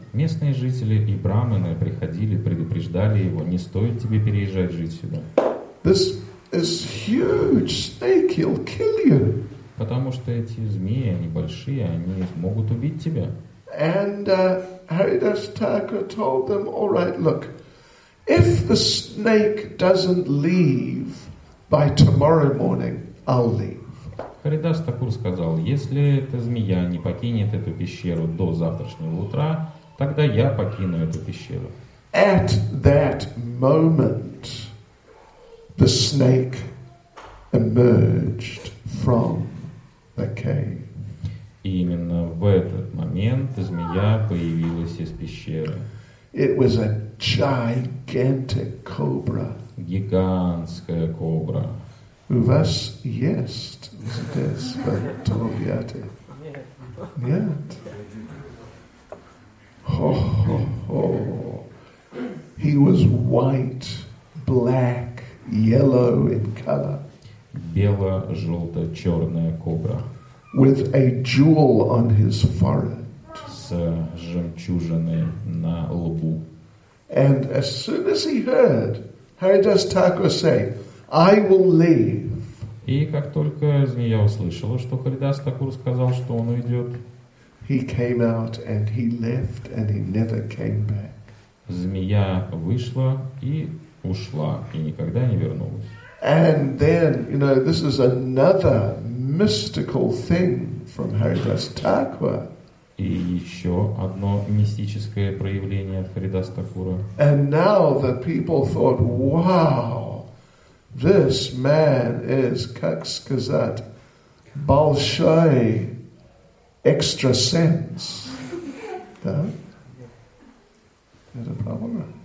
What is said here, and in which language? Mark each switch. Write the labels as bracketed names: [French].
[Russian] Местные жители и брахманы приходили, предупреждали его, не стоит тебе переезжать жить сюда. [English] This is huge snake, he'll kill you. [Russian] Потому что эти змеи, они большие, они могут убить тебя. [English] And Haridas Thakur told them, all right, look, if the snake doesn't leave by tomorrow morning, I'll leave. [Russian] Харидас Такур сказал, если эта змея не покинет эту пещеру до завтрашнего утра, тогда я покину эту пещеру. [English] At that moment, the snake emerged from the cave. [Russian] И именно в этот момент змея появилась из пещеры. [English] It was a gigantic cobra. [Russian] Гигантская кобра. У вас есть здесь фотографии? Нет. [English] Хо-хо-хо. He was white, black, yellow in color. [Russian] Бело-желто-черная кобра. [English] With a jewel on his forehead. [Russian] С жемчужиной на лбу. [English] And as soon as he heard Haridas Thakur say, I will leave. [Russian] И как только змея услышала, что Харидас Такур сказал, что он уйдет, [English] he came out and he left and he never came back. [Russian] Змея вышла и ушла, и никогда не вернулась. [English] And then, you know, this is another mystical thing from Haridas Thakur. [Russian] И еще одно мистическое проявление от Харидас Такура. [English] And now the people thought, wow, this man is, [Russian] как сказать, большой [English] extra sense. [Russian] Да? Это правильно?